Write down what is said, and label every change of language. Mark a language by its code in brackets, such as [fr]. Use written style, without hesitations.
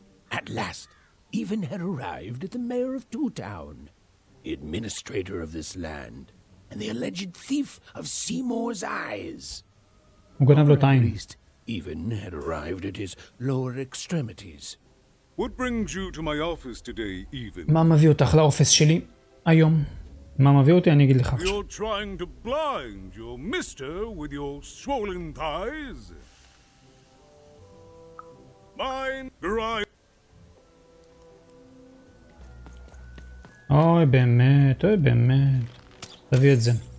[en] At last, even had arrived at the mayor of Two Town, the administrator of this land, and the alleged thief of Seymour's eyes. We're going to have a time. At least, even had arrived at his lower extremities. What brings you to my office today, even? [he] מה מביא אותך לאופס שלי היום? מה מביא אותי? אני אגיד לך עכשיו. [en] You're trying to blind your mister with your swollen thighs. Mine, right. [he] אוי באמת. תביא את זה.